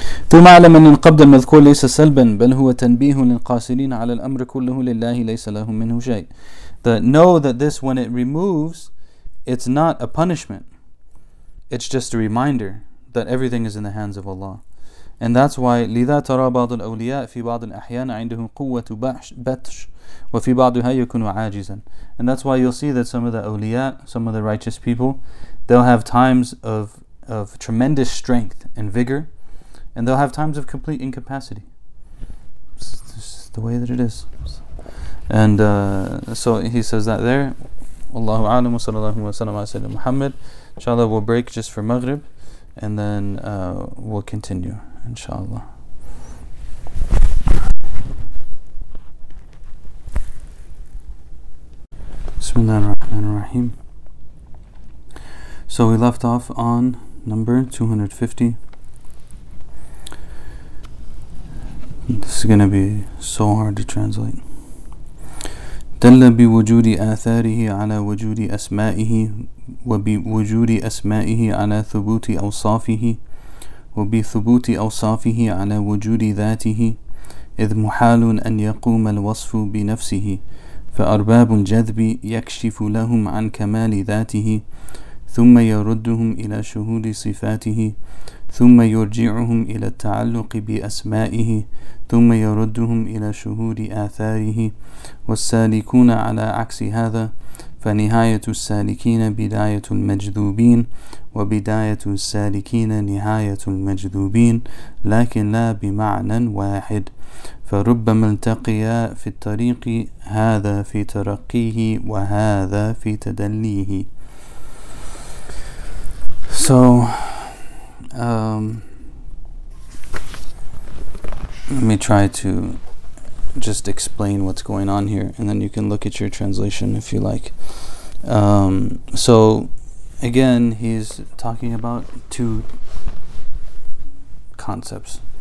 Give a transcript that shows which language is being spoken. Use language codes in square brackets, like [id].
[ar] ثم أعلم أن القبض المذكور ليس سلبا بل هو تنبيه للقاصرين على الأمر كله لله ليس لهم منه شيء. [en] That know that this, when it removes, it's not a punishment. It's just a reminder that everything is in the hands of Allah. And that's why [ar] لِذَا تَرَى بَعْضُ الْأَوْلِيَاءِ فِي بَعْضِ الْأَحْيَانِ عِنْدَهُمْ قُوَّةُ بَطْشٍ وَفِي بَعْضِهَا يَكُونُ عَاجِزًا. [en] And that's why you'll see that some of the awliya, some of the righteous people, they'll have times of tremendous strength and vigor, and they'll have times of complete incapacity. It's just the way that it is. And so he says that there. Allahu a'lam wa sallallahu wa sallam ala sayyidina Muhammad. Inshallah, we'll break just for Maghrib, and then we'll continue. Inshallah. Bismillah ar-Rahman ar-Rahim. So we left off on number 250. This is going to be so hard to translate. [ar] دل بوجود آثاره على وجود أسمائه وبوجود أسمائه على ثبوت أوصافه وبثبوت أوصافه على وجود ذاته إذ محال أن يقوم الوصف بنفسه فأرباب الجذب يكشف لهم عن كمال ذاته ثم يردهم إلى شهود صفاته ثم يرجعهم إلى التعلق بأسمائه ثم يردهم إلى شهود آثاره والسالكون على عكس هذا فنهاية السالكين بداية المجذوبين وبداية السالكين نهاية المجذوبين لكن لا بمعنى واحد فربما التقيا في الطريق هذا في ترقيه وهذا في تدليه. [en] So let me try to just explain what's going on here, and then you can look at your translation if you like. So again, he's talking about two concepts.